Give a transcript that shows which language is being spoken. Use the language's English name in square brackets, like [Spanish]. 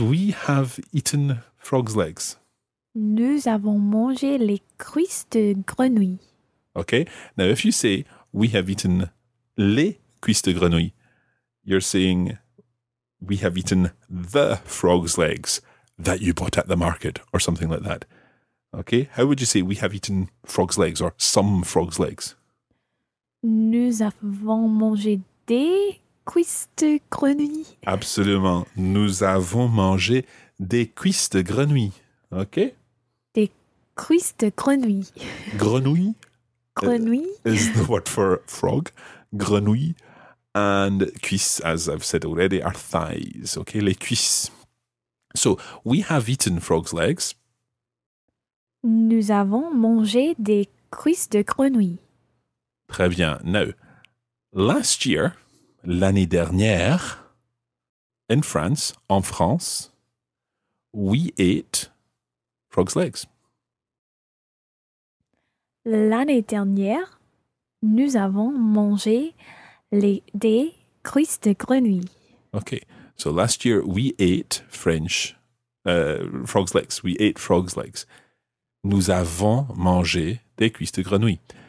[English] We have eaten frog's legs. [French] Nous avons mangé les cuisses de grenouille. [English] Okay, now if you say we have eaten [French] les cuisses de grenouille, [English] you're saying we have eaten the frog's legs that you bought at the market or something like that. Okay, how would you say we have eaten frog's legs or some frog's legs? [French] Nous avons mangé des cuisses de grenouille. Absolument. Nous avons mangé des cuisses de grenouille. [English] Okay? [French] Des cuisses de grenouille. Grenouille. Grenouille. [English] Is the word for frog. Grenouille. And cuisses, as I've said already, are thighs. Okay? [French] Les cuisses. [English] So, we have eaten frog's legs. [French] Nous avons mangé des cuisses de grenouille. Très bien. [English] Now, last year, [French] l'année dernière, [English] in France, we ate frog's legs. [French] L'année dernière, nous avons mangé des cuisses de grenouille. [English] Okay, so last year we ate French frog's legs. We ate frog's legs. [French] Nous avons mangé des cuisses de grenouille.